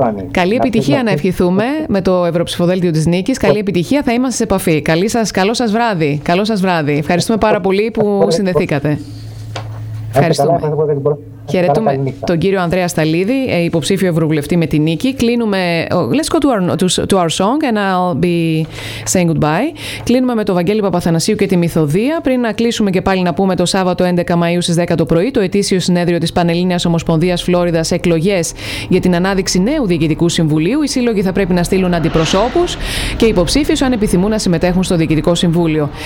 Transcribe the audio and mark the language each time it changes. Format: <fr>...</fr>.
<el>Καλή επιτυχία να ευχηθούμε με το ευρωψηφοδέλτιο της Νίκης. Καλή επιτυχία, θα είμαστε σε επαφή. Καλό σας βράδυ. Ευχαριστούμε πάρα πολύ που συνδεθήκατε. Ευχαριστούμε. Χαιρετούμε τον κύριο Ανδρέα Σταλίδη, υποψήφιο ευρωβουλευτή με τη Νίκη. Κλείνουμε.</el> <en>Let's go to our song and I'll be saying goodbye.</en> <el>Κλείνουμε με τον Βαγγέλη Παπαθανασίου και τη Μυθοδία. Πριν να κλείσουμε και πάλι να πούμε το Σάββατο 11 Μαΐου στις 10 το πρωί, το ετήσιο συνέδριο της Πανελλήνιας Ομοσπονδίας Φλόριδας, εκλογές για την ανάδειξη νέου διοικητικού συμβουλίου. Οι σύλλογοι θα πρέπει να στείλουν αντιπροσώπους και υποψήφιους αν επιθυμούν να συμμετέχουν στο διοικητικό συμβούλιο.</el>